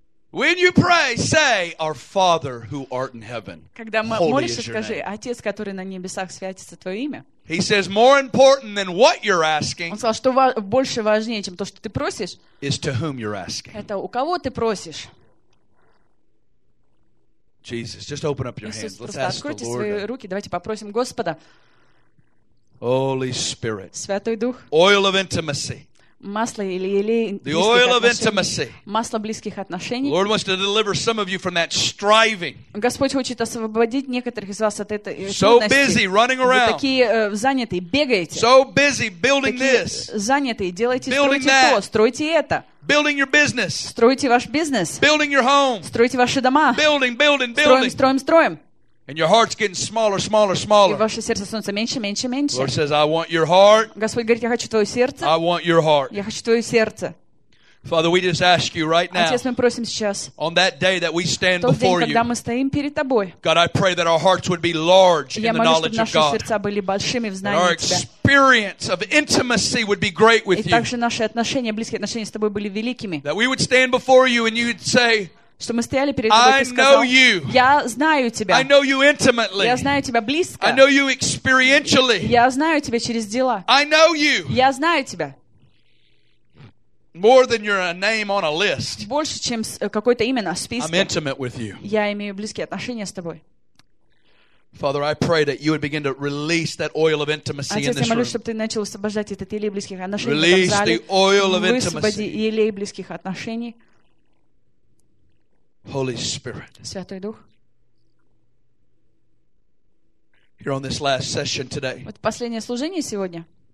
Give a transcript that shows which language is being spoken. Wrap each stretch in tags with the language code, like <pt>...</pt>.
<en>When you pray, say, "Our Father who art in heaven, holy is your name." He says, "More important than what you're asking."</en> <ru>Он сказал, что больше важнее, чем то, что ты просишь.</ru> <en>Is to whom you're asking.</en> <ru>Это у кого ты просишь?</ru> <en>Jesus, just open up your hands. Let's ask the Lord.</en> <ru>Откройте свои руки. Давайте попросим Господа.</ru> <en>Holy Spirit.</en> <ru>Святой Дух.</ru> <en>Oil of intimacy.</en> <ru>Масло или елей</ru> <en>the oil of intimacy.</en> <ru>Масло близких отношений.</ru> <en>Lord wants to deliver some of you from that striving.</en> <ru>Господь хочет освободить некоторых из вас от этой трудности.</ru> <en>So busy running around.</en> <ru>Вы такие заняты, бегаете.</ru> <en>So busy building this.</en> <ru>Заняты, делаете, строите то, строите это.</ru> <en>Building your business.</en> <ru>Строите ваш бизнес.</ru> <en>Building your home.</en> <ru>Строите ваши дома.</ru> <en>Building, building, building.</en> <ru>Строим, строим, строим.</ru> <en>And your heart's getting smaller, smaller, smaller.</en> <ru>И ваше сердце становится меньше, меньше, меньше.</ru> <en>Lord says, "I want your heart."</en> <ru>Господь говорит, я хочу твое сердце.</ru> <en>I want your heart.</en> <ru>Я хочу твое сердце.</ru> <en>Father, we just ask you right now.</en> <ru>Отец, мы просим сейчас.</ru> <en>On that day that we stand before you.</en> <ru>Тот день, когда мы стоим перед тобой.</ru> <en>God, I pray that our hearts would be large in the knowledge of God.</en> <ru>Я молюсь, чтобы наши сердца были большими в знании тебя.</ru> <en>And our experience of intimacy would be great with you.</en> <ru>И также наши отношения, близкие отношения с тобой были великими.</ru> <en>That we would stand before you and you'd say.</en> <ru>Что мы стояли перед тобой, ты сказал, я знаю тебя.</ru> <en>I know you intimately.</en> <ru>Я знаю тебя близко.</ru> <en>I know you experientially.</en> <ru>Я знаю тебя через дела.</ru> <en>I know you.</en> <ru>Я знаю тебя.</ru> <en>More than you're a name on a list.</en> <ru>Больше, чем какое-то имя на списке.</ru> <en>I'm intimate with you.</en> <ru>Я имею близкие отношения с тобой.</ru> <en>Father, I pray that you would begin to release that oil of intimacy in this room.</en> <ru>Чтобы ты начал освобождать этот елей близких отношений.</ru> <en>Release the oil of intimacy.</en> <ru>Высвободи елей близких отношений.</ru> <en>Holy Spirit.</en> <ru>Святой Дух.</ru> <en>Here on this last session today.</en> <ru>Вот последнее служение сегодня.</ru>